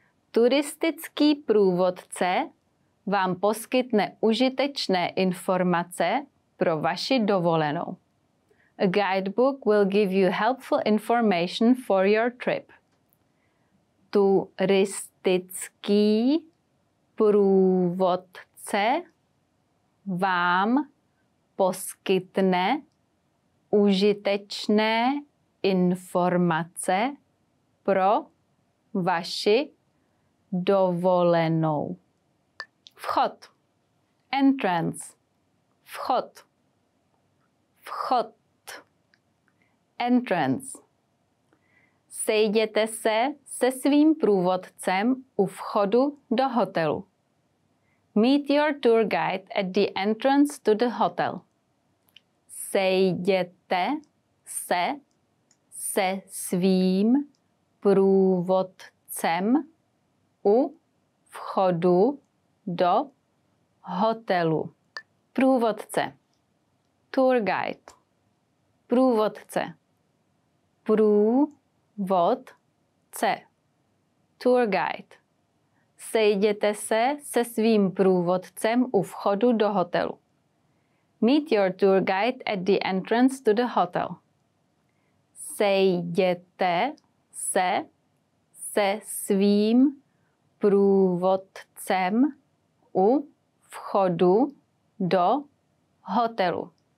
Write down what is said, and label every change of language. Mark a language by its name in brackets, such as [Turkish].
[Czech] Turistický průvodce vám poskytne užitečné informace pro vaši dovolenou. [English] A guidebook will give you helpful information for your trip. [Czech] Turistický průvodce vám poskytne užitečné informace pro vaši dovolenou. Vchod. [English] Entrance. [Czech] Vchod. Vchod. Entrance. Sejděte se se svým průvodcem u vchodu do hotelu. [English] Meet your tour guide at the entrance to the hotel. [Czech] Sejděte se se svým průvodcem u vchodu do hotelu. Průvodce. [English] Tour guide. [Czech] Průvodce. Průvodce. [English] Tour guide. [Czech] Sejděte se svým průvodcem u vchodu do hotelu. [English] Meet your tour guide at the entrance to the hotel. [Czech] Sejděte se svým průvodcem u vchodu do hotelu.